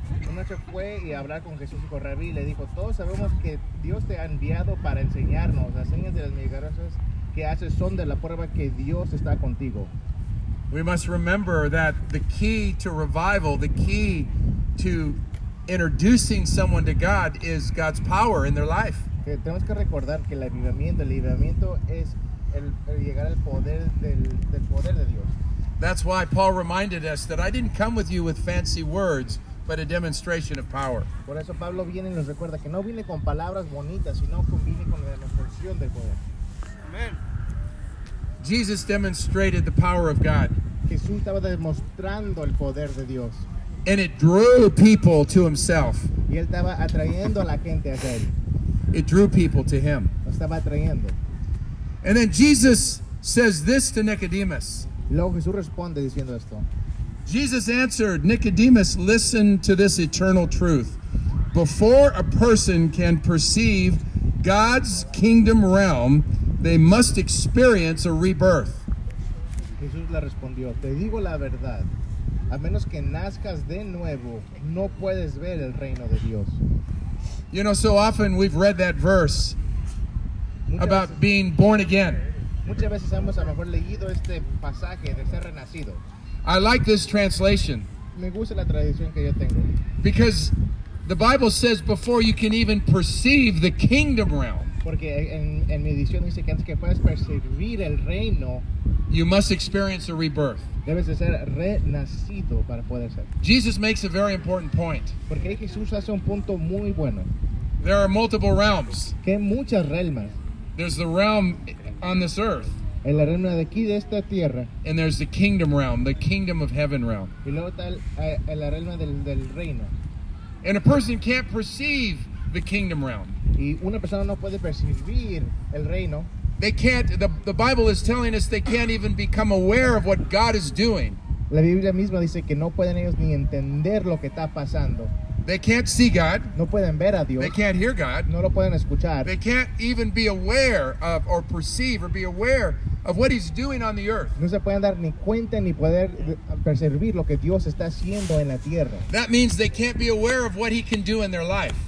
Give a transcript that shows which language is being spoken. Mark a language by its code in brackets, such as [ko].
[en] We must remember that the key to revival, the key to introducing someone to God, is God's power in their life. [es] Tenemos que recordar que el avivamiento es el llegar al poder del poder de Dios. [en] That's why Paul reminded us that I didn't come with you with fancy words, but a demonstration of power. [es] Por eso Pablo viene y nos recuerda que no viene con palabras bonitas, sino viene con la demostración del poder. [en] Amen. Jesus demonstrated the power of God. [es] Jesús estaba demostrando el poder de Dios. [en] And it drew people to himself. [es] Y él estaba atrayendo a la gente hacia él. [en] It drew people to him. [es] Lo estaba atrayendo. [en] And then Jesus says this to Nicodemus. [es] Luego Jesús responde diciendo esto. [en] Jesus answered, Nicodemus, listen to this eternal truth. Before a person can perceive God's kingdom realm, they must experience a rebirth. [es] Jesús le respondió, te digo la verdad, a menos que nazcas de nuevo, no puedes ver el reino de Dios. [en] You know, so often we've read that verse about being born again. [es] Muchas veces hemos a lo mejor leído este pasaje de ser renacido. [en] I like this translation. [es] Me gusta la traducción que yo tengo. [en] Because the Bible says before you can even perceive the kingdom realm. [es] Porque en mi edición dice que antes que puedas percibir el reino, [en] you must experience a rebirth. [es] Debes de ser renacido para poder ser. [en] Jesus makes a very important point. [es] Porque Jesús hace un punto muy bueno. [en] There are multiple realms. [es] Que hay muchas realmas. [en] There's the realm on this earth. [es] El reino de aquí, de esta tierra. [en] And there's the kingdom realm, the kingdom of heaven realm. [es] Y luego está el reino del reino. [en] And a person can't perceive the kingdom realm. [es] Y una persona no puede percibir el reino. [en] They can't, the Bible is telling us they can't even become aware of what God is doing. [es] La Biblia misma dice que no pueden ellos ni entender lo que está pasando. [en] They can't see God. [es] No pueden ver a Dios. [en] They can't hear God. [es] No lo pueden escuchar. [en] They can't even be aware of or perceive or be aware of what he's doing on the earth. [es] No se pueden dar ni cuenta ni poder percibir lo que Dios está haciendo en la tierra. [en] That means they can't be aware of what he can do in their life.